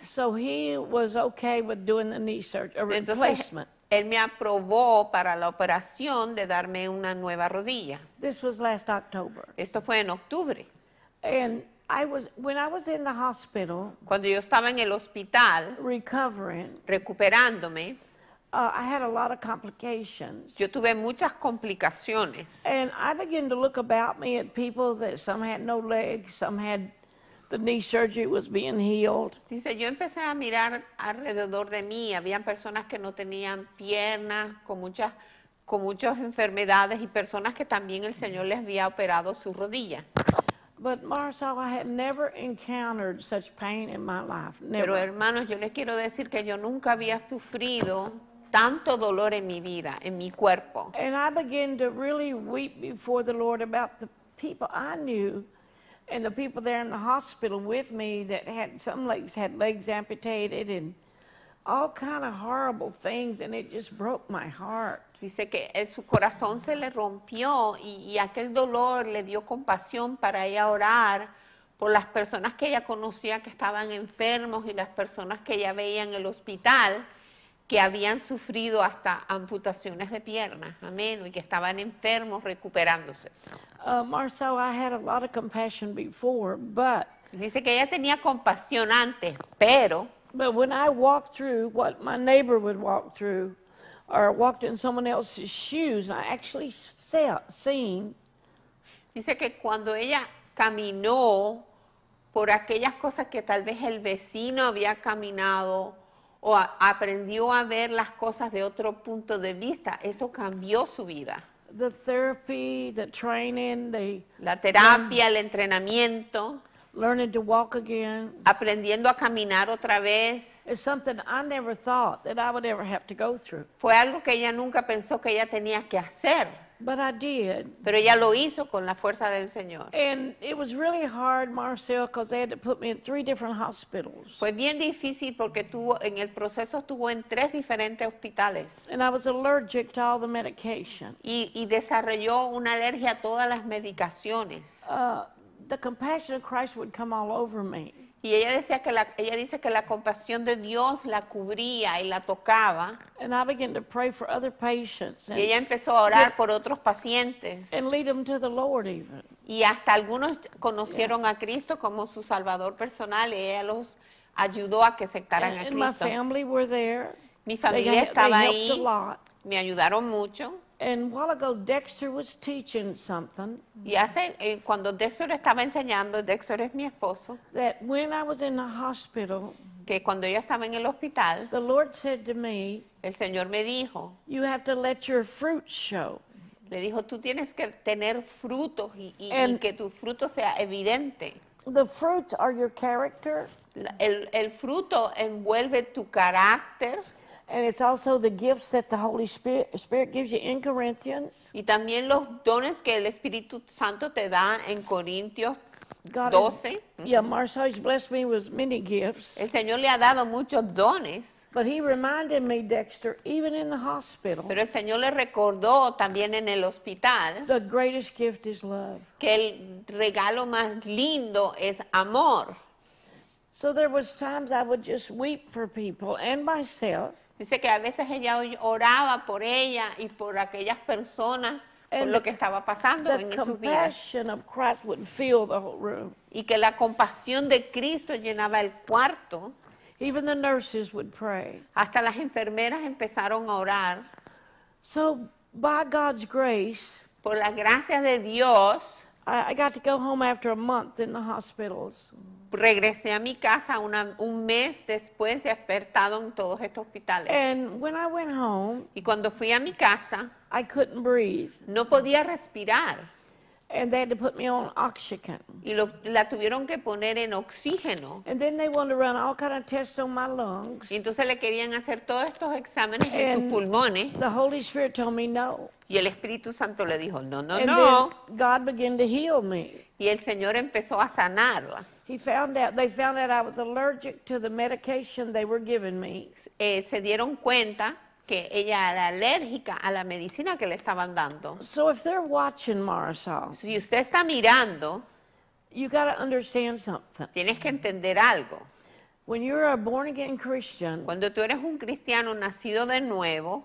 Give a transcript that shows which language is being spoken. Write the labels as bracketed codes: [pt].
[en] So he was okay with doing the knee surgery, a replacement. [es] Entonces, él me aprobó para la operación de darme una nueva rodilla. [en] This was last October. [es] Esto fue en octubre. [en] When I was in the hospital, [es] cuando yo estaba en el hospital, [en] recovering, [es] recuperándome, [en] I had a lot of complications. [es] Yo tuve muchas complicaciones. [en] And I began to look about me at people that some had no legs, some had the knee surgery was being healed. [es] Dice, yo empecé a mirar alrededor de mí. Habían personas que no tenían piernas, con muchas enfermedades y personas que también el Señor les había operado su rodilla. [en] But Marisol, I had never encountered such pain in my life. Never. [es] Pero hermanos, yo les quiero decir que yo nunca había sufrido tanto dolor en mi vida, en mi cuerpo. [en] And I began to really weep before the Lord about the people I knew and the people there in the hospital with me that had some legs, had legs amputated and all kind of horrible things, and it just broke my heart. [es] Dice que su corazón se le rompió y aquel dolor le dio compasión para ella orar por las personas que ella conocía que estaban enfermos y las personas que ella veía en el hospital que habían sufrido hasta amputaciones de piernas, amén, y que estaban enfermos recuperándose. [en] Marcel, I had a lot of compassion before, but... [es] Dice que ella tenía compasión antes, pero... [en] But when I walked through what my neighbor would walk through, or walked in someone else's shoes, I actually seen. [es] Dice que cuando ella caminó por aquellas cosas que tal vez el vecino había caminado, o aprendió a ver las cosas de otro punto de vista, eso cambió su vida. [en] The therapy, the training, [es] la terapia, el entrenamiento. [en] Learning to walk again. [es] Aprendiendo a caminar otra vez. [en] It's something I never thought that I would ever have to go through. [es] Fue algo que ella nunca pensó que ella tenía que hacer. [en] But I did. [es] Pero ella lo hizo con la fuerza del Señor. [en] And it was really hard, Marcel, because they had to put me in 3 different hospitals. [es] Fue bien difícil porque tuvo, en el proceso estuvo en 3 diferentes hospitales. [en] And I was allergic to all the medication. [es] Y desarrolló una alergia a todas las medicaciones. [en] The compassion of Christ would come all over me. [es] Y ella decía que la, ella dice que la compasión de Dios la cubría y la tocaba. [en] And I began to pray for other patients. [es] Y ella empezó a orar por otros pacientes. [en] And lead them to the Lord even. [es] Y hasta algunos conocieron a Cristo como su Salvador personal y ella los ayudó a que aceptaran a Cristo. [en] And my family were there. [es] Mi familia estaba ahí. [en] They helped a lot. [es] Me ayudaron mucho. [en] And while ago Dexter was teaching something. [es] Y hace cuando Dexter estaba enseñando, Dexter es mi esposo. [en] That when I was in the hospital, [es] que cuando yo estaba en el hospital, [en] the Lord said to me, [es] el Señor me dijo, [en] you have to let your fruit show. [es] Le dijo, tú tienes que tener frutos y que tu fruto sea evidente. [en] The fruits are your character. [es] El fruto envuelve tu carácter. [en] And it's also the gifts that the Holy Spirit gives you in Corinthians. [es] Y también los dones que el Espíritu Santo te da en Corintios 12. [en] Yeah, Marcel has blessed me with many gifts. [es] El Señor le ha dado muchos dones. [en] But he reminded me, Dexter, even in the hospital. [es] Pero el Señor le recordó también en el hospital. [en] The greatest gift is love. [es] Que el regalo más lindo es amor. [en] So there was times I would just weep for people and myself. [es] Dice que a veces ella oraba por ella y por aquellas personas por lo que estaba pasando en sus vidas. [en] The compassion of Christ would fill the whole room. [es] Y que la compasión de Cristo llenaba el cuarto. [en] Even the nurses would pray. [es] Hasta las enfermeras empezaron a orar. [en] So by God's grace, [es] por la gracia de Dios, [en] I got to go home after a month in the hospitals. [es] Regresé a mi casa un mes después de haber estado en todos estos hospitales. [en] And when I went home, [es] y cuando fui a mi casa, [en] I couldn't breathe. [es] No podía respirar. [en] And they had to put me on oxygen. [es] Y la tuvieron que poner en oxígeno. [en] And then they wanted to run all kind of tests on my lungs. [es] Y entonces le querían hacer todos estos exámenes en sus pulmones. [en] The Holy Spirit told me no. [es] Y el Espíritu Santo le dijo no, no, [en] and no. Then God began to heal me. [es] Y el Señor empezó a sanarla. [en] They found out I was allergic to the medication they were giving me. [es] Se dieron cuenta que ella era alérgica a la medicina que le estaban dando. [en] So if they're watching, Marisol, [es] si usted está mirando, [en] you gotta understand something. [es] Tienes que entender algo. [en] When you're a born again Christian, [es] cuando tú eres un cristiano nacido de nuevo,